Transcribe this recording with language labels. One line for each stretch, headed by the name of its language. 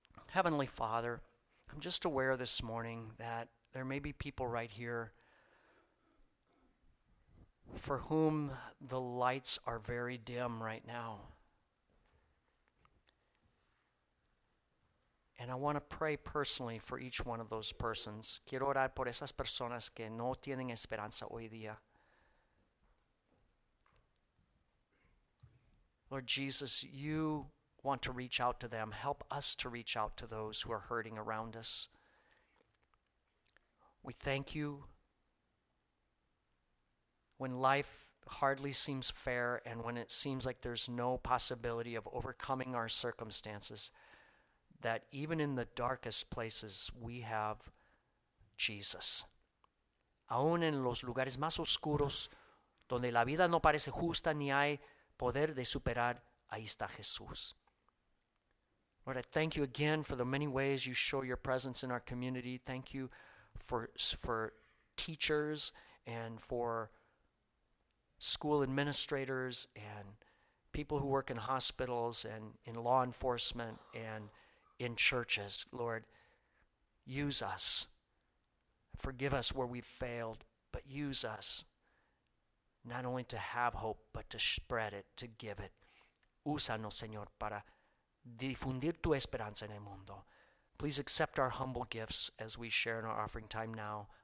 English: Heavenly Father, I'm just aware this morning that there may be people right here for whom the lights are very dim right now. And I want to pray personally for each one of those persons.
Spanish: Quiero orar por esas personas que no tienen esperanza hoy día.
English: Lord Jesus, you want to reach out to them. Help us to reach out to those who are hurting around us. We thank you. When life hardly seems fair and when it seems like there's no possibility of overcoming our circumstances, that even in the darkest places, we have Jesus.
Spanish: Aún en los lugares más oscuros, donde la vida no parece justa ni hay poder de superar, ahí está Jesús.
English: Lord, I thank you again for the many ways you show your presence in our community. Thank you for teachers and for school administrators and people who work in hospitals and in law enforcement and in churches. Lord, use us. Forgive us where we've failed, but use us not only to have hope, but to spread it, to give it.
Spanish: Úsanos, Señor, para difundir tu esperanza en el mundo.
English: Please accept our humble gifts as we share in our offering time now.